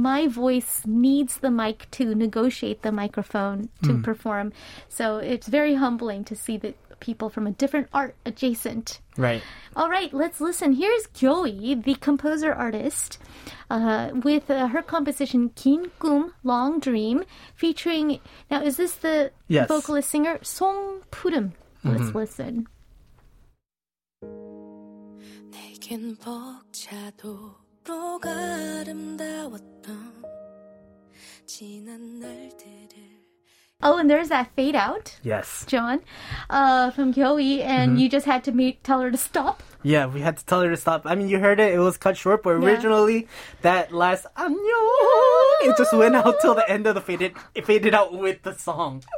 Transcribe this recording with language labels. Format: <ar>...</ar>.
<en>My voice needs the mic to negotiate the microphone to perform, so it's very humbling to see that people from a different art adjacent. Right. All right, let's listen. Here's Gyoi, the composer artist, with her composition, Gin Gum, Long Dream, featuring, now is this the vocalist singer? Song Purim. Let's listen.</en> <ko>내겐 벅차도 로가 아름다웠던 지난 날들을.</ko> <en>Oh, and there's that fade out. Yes. John, from Gyoi, and you just had to tell her to stop. Yeah, we had to tell her to stop. I mean, you heard it. It was cut short, but originally that last, annyeong, it just went out till the end of the fade. It faded out with the song.</en>